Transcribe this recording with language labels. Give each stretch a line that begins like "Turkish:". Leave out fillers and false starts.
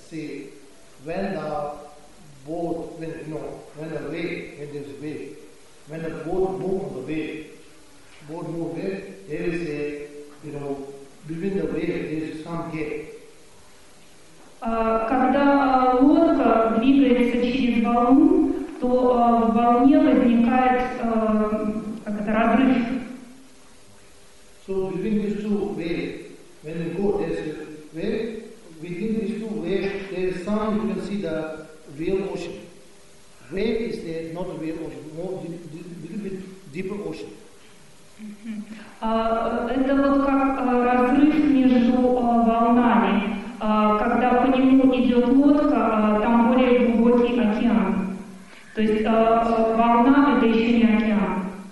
English: See, when the boat, when you know, when the wave, when there is a wave, when the boat moves on the wave, boat moves on the wave, there is a, you know, between the wave there is some gap.
Russian: Когда лодка двигается через волну, то в волне возникает как это, разрыв.
English: So between these two waves, when you go, there's a wave, within these two waves, there is some, you can see the real ocean. Wave is there, not a real ocean, more, little bit deeper ocean.
Russian: Это вот как разрыв между волнами. Когда по нему идет лодка, там более глубокий океан. То есть волна – это еще не океан.